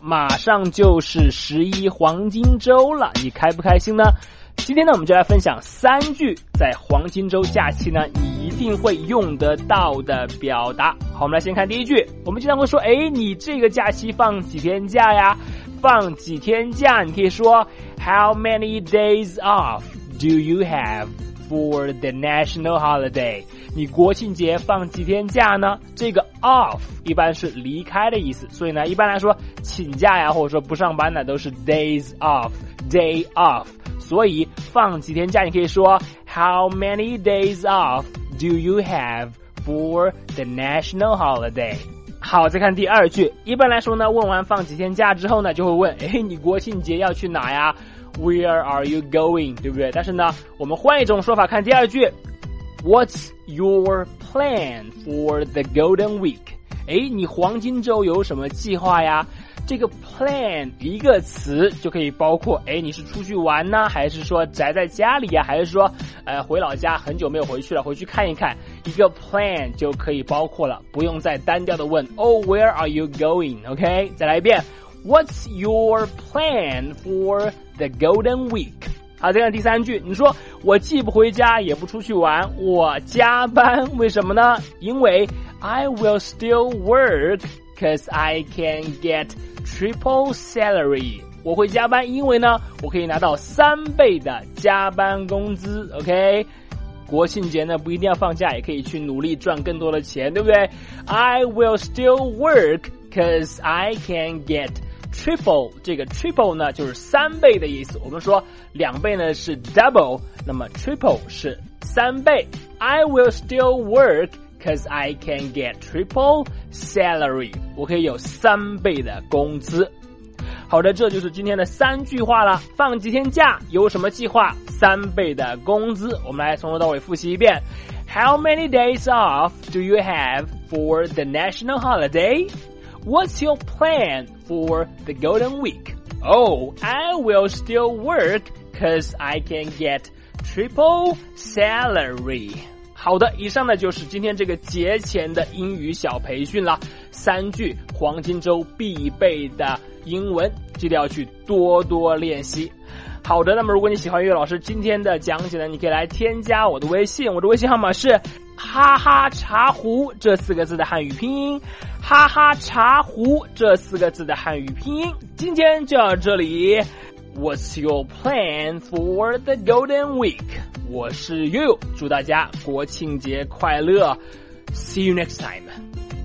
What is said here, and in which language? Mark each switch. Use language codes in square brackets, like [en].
[zh] 马上就是11黄金周了，你开不开心呢？今天呢，我们就来分享三句在黄金周假期呢你一定会用得到的表达。好，我们来先看第一句。我们经常会说，诶，你这个假期放几天假呀？放几天假，你可以说 [en] How many days off do you have for the national holiday？ [zh] 你国庆节放几天假呢？这个 off 一般是离开的意思，所以呢一般来说请假呀或者说不上班呢都是 [en] days off， day off。 [zh] 所以放几天假你可以说 How many days off do you have for the national holiday？好，再看第二句。一般来说呢，问完放几天假之后呢，就会问，诶，你国庆节要去哪呀？ [en] Where are you going， [zh] 对不对？但是呢我们换一种说法看第二句。 [en] What's your plan for the Golden Week？ [zh] 诶，你黄金周有什么计划呀？这个 plan 一个词就可以包括，诶，你是出去玩呢，还是说宅在家里呀，还是说回老家很久没有回去了，回去看一看。一个 plan 就可以包括了，不用再单调的问 [en] Oh, where are you going? [zh] OK, 再来一遍。 [en] What's your plan for the Golden Week? [zh] 好，再看第三句。你说我既不回家也不出去玩，我加班，为什么呢？因为 [en] I will still work because I can get triple salary。 [zh] 我会加班，因为呢我可以拿到三倍的加班工资。 OK, 国庆节呢不一定要放假，也可以去努力赚更多的钱，对不对？ [en] I will still work because I can get triple， [zh] 这个 triple 呢就是三倍的意思。我们说两倍呢是 double， 那么 triple 是三倍。 [en] I will still work because I can get triple salary， [zh] 我可以有三倍的工资。好的，这就是今天的三句话了。放几天假有什么计划？三倍的工资。我们来从头到尾复习一遍。 [en] How many days off do you have for the national holiday? What's your plan for the Golden Week? Oh, I will still work because I can get triple salary. [zh] 好的，以上呢就是今天这个节前的英语小培训了。三句黄金周必备的英文，记得要去多多练习。好的，那么如果你喜欢悠悠老师今天的讲解呢，你可以来添加我的微信，我的微信号码是哈哈茶壶这四个字的汉语拼音，哈哈茶壶这四个字的汉语拼音。今天就到这里。 [en] What's your plan for the Golden Week? [zh] 我是悠悠，祝大家国庆节快乐， [en] See you next time.